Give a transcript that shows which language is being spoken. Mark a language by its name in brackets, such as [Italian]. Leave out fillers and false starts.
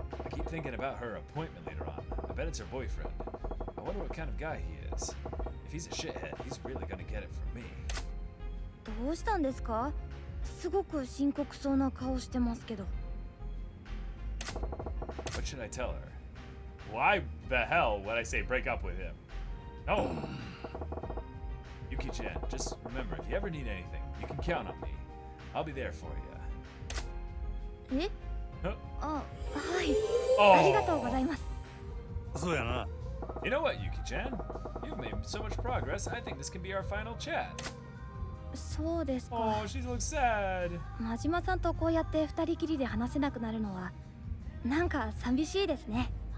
[English] I keep thinking about her appointment later on. I bet it's her boyfriend. I wonder what kind of guy he is. If he's a shithead, he's really gonna get it from me. [Japanese] どうしたんですか? すごく深刻そうな顔してますけど。 [English] What should I tell her? Why the hell would I say break up with him? No! Yuki-chan, just remember, if you ever need anything, you can count on me. I'll be there for you. Eh? Oh, hi. Oh! Thank you. You know what, Yuki-chan? You've made so much progress, I think this can be our final chat. [Japanese] そうですか? [English] Oh, she looks sad. [Japanese] マジマさんとこうやって二人きりで話せなくなるのは なんか寂しいですね。